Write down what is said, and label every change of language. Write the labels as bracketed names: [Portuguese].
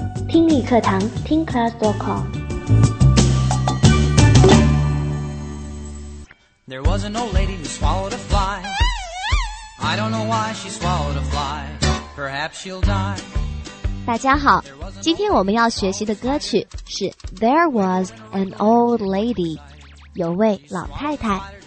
[Chinese] 理课堂听 class.com。 [English] There was an old lady who swallowed a fly. I don't know why she swallowed a fly. Perhaps she'll die. [Chinese] 大家好，今天我们要学习的歌曲是 There was an old lady， 有位老太太。